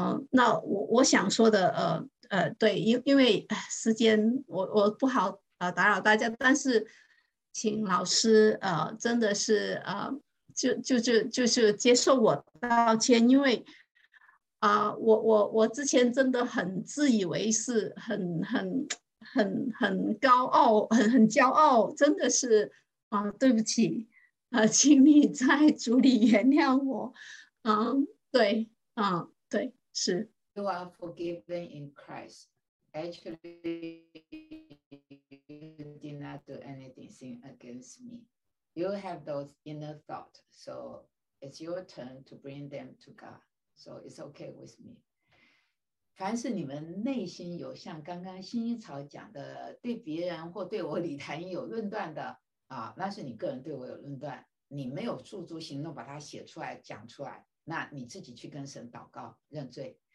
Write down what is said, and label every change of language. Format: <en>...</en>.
<zh>那我想说的，对，因为时间我不好打扰大家，但是请老师真的是就是接受我道歉，因为我之前真的很自以为是，很高傲，很骄傲，真的是对不起，请你在主里原谅我。对，是。</zh> <en>You are forgiven in Christ. Actually, you did not do anything against me. You have those inner thoughts, so it's your turn to bring them to God. So it's okay with me.</en> <zh>凡是你们内心有像刚刚薰衣草讲的对别人或对我李谭英有论断的啊，那是你个人对我有论断，你没有付诸行动把它写出来讲出来，那你自己去跟神祷告认罪。</zh>